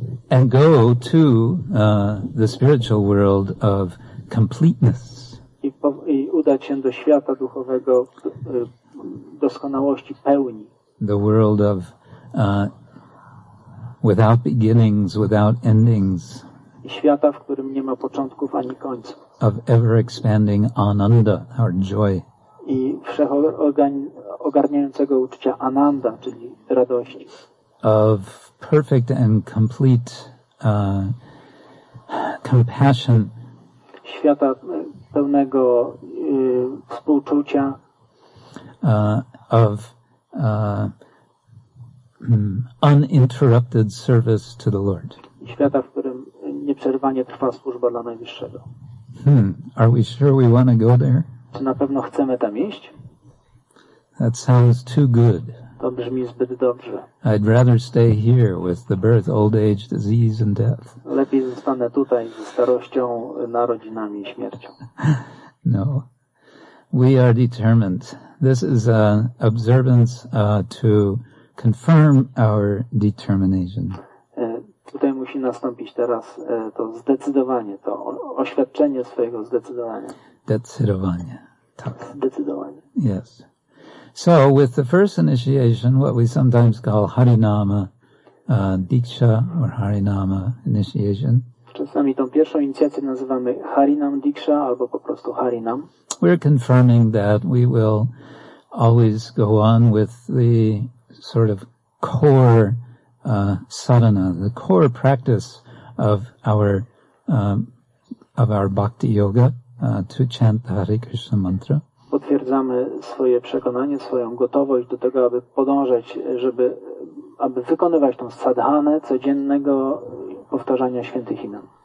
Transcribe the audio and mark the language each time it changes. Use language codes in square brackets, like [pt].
[en] And go to the spiritual world of completeness. [pl] I udać się do świata duchowego doskonałości, pełni. [en] The world of without beginnings, without endings. [pl] I świata, w którym nie ma początków ani końców. [en] Of ever expanding ananda, our joy. [pl] I wszechogarniającego uczucia ananda, czyli radości. [en] Of perfect and complete compassion. [pl] Świata pełnego współczucia. [en] Of uninterrupted service to the Lord. [pl] Świata, w którym nieprzerwanie trwa służba dla Najwyższego. [en] Are we sure we want to go there? [pl] Czy na pewno chcemy tam iść? [en] That sounds too good. [pl] To brzmi zbyt dobrze. [en] I'd rather stay here with the birth, old age, disease and death. [pl] Lepiej zostanę tutaj ze starością, narodzinami i śmiercią. [en] No. We are determined. This is an observance to confirm our determination. [pl] Tutaj musi nastąpić teraz to zdecydowanie, to oświadczenie swojego zdecydowania. Decydowanie. Tak. Zdecydowanie. [en] Yes. So with the first initiation, what we sometimes call Harinama Diksha or Harinama initiation. [pl] Czasami tą pierwszą inicjację nazywamy Harinam Diksha albo po prostu Harinam. [en] We're confirming that we will always go on with the sort of core sadhana, the core practice of our bhakti yoga, to chant the Hare Krishna mantra. [pl] Potwierdzamy swoje przekonanie, swoją gotowość do tego, aby podążać, aby wykonywać tą sadhanę codziennego powtarzania świętych imion.